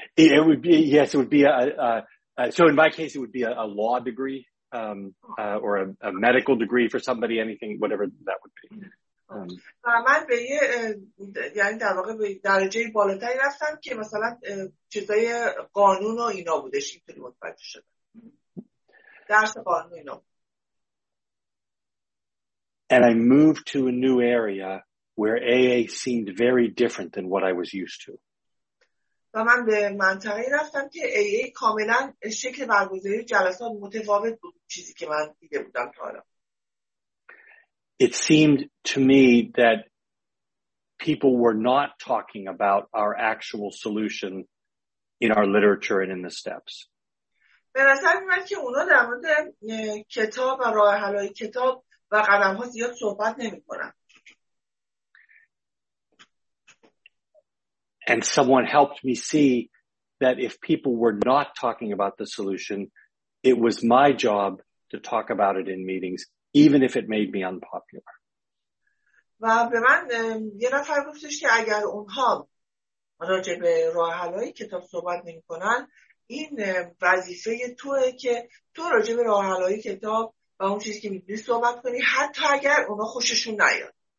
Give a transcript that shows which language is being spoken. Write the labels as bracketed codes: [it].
[en] It would be in my case it would be a law degree. Or a medical degree for somebody, anything, whatever that would be. [fa] من به یه یعنی در واقع به درجه بالاتری رفتم که مثلا چیزای قانون و اینا بودش اینطوری متوجه شدم. درس قانون اینا. [en] And I moved to a new area where AA seemed very different than what I was used to. [fa] و من به منطقه رفتم که AA کاملا شکل برگزاری جلسات متفاوت بود چیزی که من دیده بودم تا حالا. [en] It seemed to me that people were not talking about our actual solution in our literature and in the steps. [fa] به نظر میاد که اونا در مورد کتاب و راه حل‌های کتاب و قدم‌ها زیاد صحبت نمی‌کنن. [en] And someone helped me see that if people were not talking about the solution, it was my job to talk about it in meetings, even if it made me unpopular. [fa] و به من یه نفر گفتش که اگر اونها راجع به راه حل‌های کتاب صحبت نمی‌کنن، این وظیفه توئه که تو راجع به راه حل‌های کتاب و اون چیزی که می‌دونی صحبت کنی، حتی اگر اونها خوششون نیاد.